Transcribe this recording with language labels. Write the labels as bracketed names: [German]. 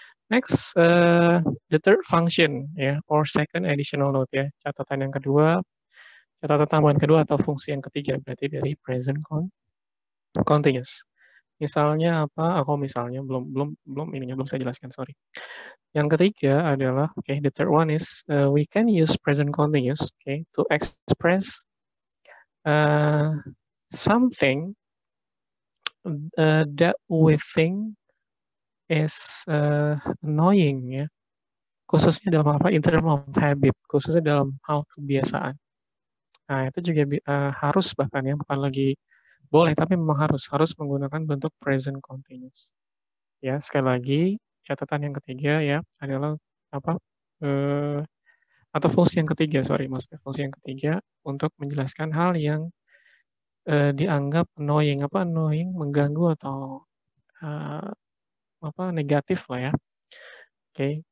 [English] Next, the third function ya, or second additional note ya. [Indonesian] Catatan yang kedua, catatan tambahan kedua atau fungsi yang ketiga berarti dari present continuous. Misalnya apa? Aku misalnya belum belum belum ininya belum saya jelaskan, sorry. Yang ketiga adalah [English] okay, the third one is we can use present continuous okay to express something that we think is annoying ya. [Indonesian] Khususnya dalam apa? [English] In term of habit, [Indonesian] khususnya dalam hal kebiasaan. Nah, itu juga harus bahkan ya, bukan lagi boleh, tapi memang harus harus menggunakan bentuk present continuous. Ya, sekali lagi catatan yang ketiga ya adalah apa? Atau fungsi yang ketiga, sorry, maksudnya fungsi yang ketiga untuk menjelaskan hal yang dianggap annoying, apa annoying, mengganggu atau apa negatif lah ya. Okay.